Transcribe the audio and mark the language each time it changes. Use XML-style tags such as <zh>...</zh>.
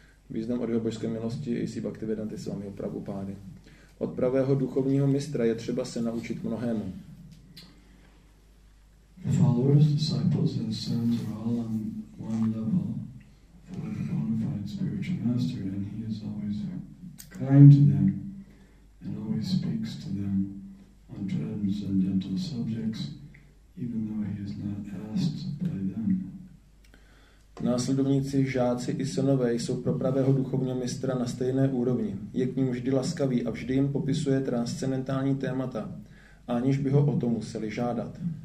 <cs>Význam od jeho božské milosti i si Bhaktivedanty s vámi opravu pány. Od pravého duchovního mistra je třeba se naučit mnohému.</cs> <en>Followers, disciples and sons are all on one level for the bona fide spiritual master, and he is always kind to them and always speaks to them on transcendental subjects, even though he is not asked by them.</en> <cs>Následovníci, žáci i synové jsou pro pravého duchovního mistra na stejné úrovni. Je k ním vždy laskavý a vždy jim popisuje transcendentální témata, aniž by ho o to museli žádat.</cs>